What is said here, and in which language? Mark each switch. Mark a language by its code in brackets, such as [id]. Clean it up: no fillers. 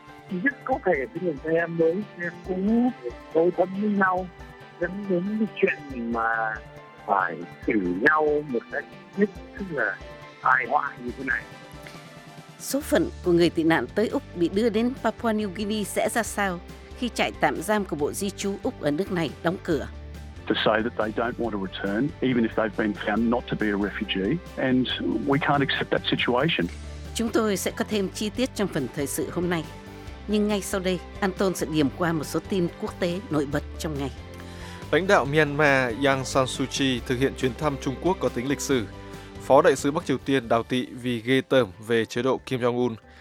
[vi] Nhất có thể thì mình thấy em mới cũng mâu thuẫn với nhau, dẫn đến cái chuyện mà phải xử nhau một cách nhất, tức là tai họa như thế này. Số phận của người tị nạn tới Úc bị đưa đến Papua New Guinea sẽ ra sao khi trại tạm giam của Bộ Di trú Úc ở nước này đóng cửa? [en] To say that they don't want to return, even if they've been found not to be a refugee, and we can't accept that situation. [vi] Chúng tôi sẽ có thêm chi tiết trong phần thời sự hôm nay. Nhưng ngay sau đây, Anton sẽ điểm qua một số tin quốc tế nổi bật trong ngày. Lãnh đạo Myanmar Aung San Suu Kyi thực hiện chuyến thăm Trung Quốc có tính lịch sử. Phó đại sứ Bắc Triều Tiên đào tị vì ghê tởm về chế độ Kim Jong-un.